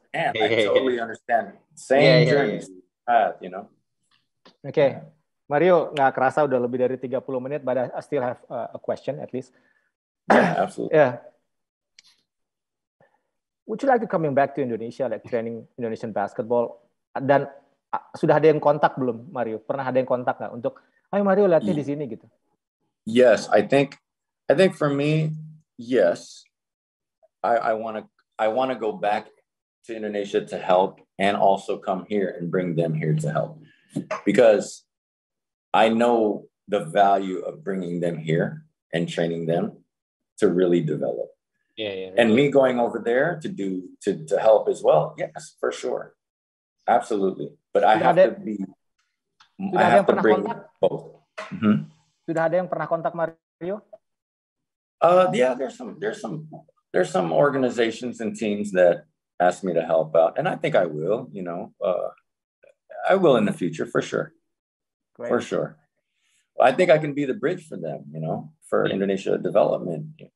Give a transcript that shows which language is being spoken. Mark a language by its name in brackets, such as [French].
[English] I totally understand. Same journey. You know. Okay, Mario, [Indonesian] nggak kerasa udah lebih dari 30 menit, [English] but I still have a question at least. Yeah, absolutely. Yeah. Would you like to coming back to Indonesia, like training Indonesian basketball? [Indonesian] Dan sudah ada yang kontak belum, Mario? Pernah ada yang kontak nggak untuk, ayo Mario latih di sini gitu? [English] Yes, I think for me, yes, I wanna go back to Indonesia to help and also come here and bring them here to help, because I know the value of bringing them here and training them to really develop. Yeah. And me going over there to help as well. Yes, for sure. Absolutely. But [Indonesian] sudah [English] I have [Indonesian] ada, [English] to be I have to bring [Indonesian] kontak? [English] Both. Mm-hmm. [Indonesian] Sudah ada yang pernah kontak Mario? [English] Yeah, there's some organizations and teams that ask me to help out, and I think I will, you know. I will in the future for sure. Great. For sure. I think I can be the bridge for them, you know, for Indonesia development.